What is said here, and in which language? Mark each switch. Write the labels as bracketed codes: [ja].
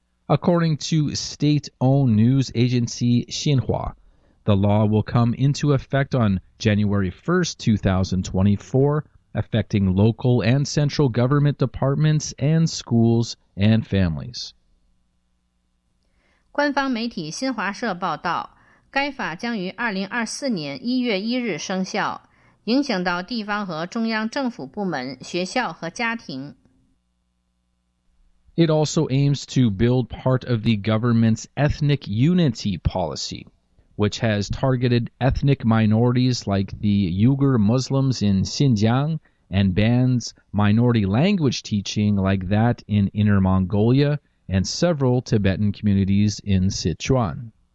[en] According to state-owned news agency Xinhua, the law will come into effect on January 1st, 2024, affecting local and central government departments and schools and families. [zh] 官方媒体新华社报道, 该法将于 2024年 1月 1日 生效, 影响到地方和中央政府部门, 学校和家庭。 [en] It also aims to build part of the government's ethnic unity policy, which has targeted ethnic minorities like the Uyghur Muslims in Xinjiang and bans minority language teaching like that in Inner Mongolia and several Tibetan communities in Sichuan.